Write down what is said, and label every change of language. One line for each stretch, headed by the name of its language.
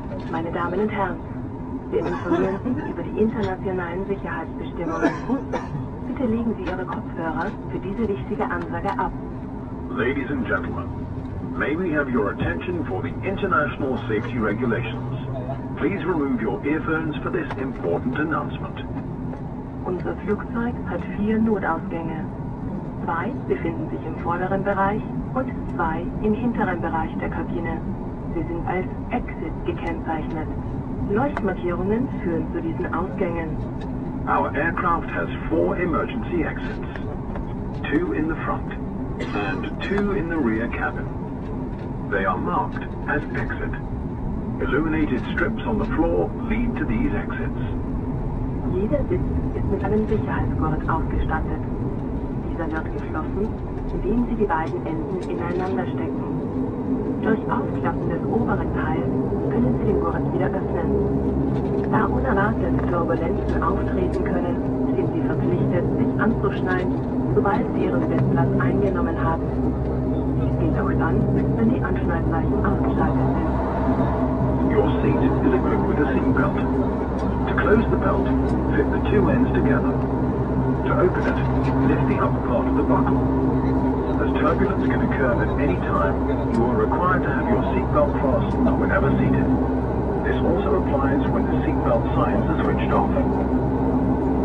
German: Meine Damen und Herren, wir informieren Sie über die internationalen Sicherheitsbestimmungen. Bitte legen Sie Ihre Kopfhörer für diese wichtige Ansage ab.
English: Ladies and gentlemen, may we have your attention for the international safety regulations. Please remove your earphones for this important announcement.
German: Unser Flugzeug hat 4 Notausgänge. 2 befinden sich im vorderen Bereich und 2 im hinteren Bereich der Kabine. Sie sind als Exit gekennzeichnet. Leuchtmarkierungen führen zu diesen Ausgängen.
English: Our aircraft has 4 emergency exits. 2 in the front and 2 in the rear cabin. They are marked as exit. Illuminated strips on the floor lead to these exits.
German: Jeder Sitz ist mit einem Sicherheitsgurt ausgestattet. Dieser wird geschlossen, indem Sie die beiden Enden ineinander stecken. Durch Aufklappen des oberen Teils können Sie den Gurt wieder öffnen. Da unerwartete Turbulenzen auftreten können, sind Sie verpflichtet, sich anzuschnallen, sobald Sie Ihren Sitzplatz eingenommen haben. Dies gilt auch dann, wenn die Anschnallzeichen ausgeschaltet sind.
English: Your seat is equipped with a seatbelt. To close the belt, fit the 2 ends together. To open it, lift the upper part of the buckle. As turbulence can occur at any time, you are required to have your seatbelt fastened whenever seated. This also applies when the seatbelt signs are switched off.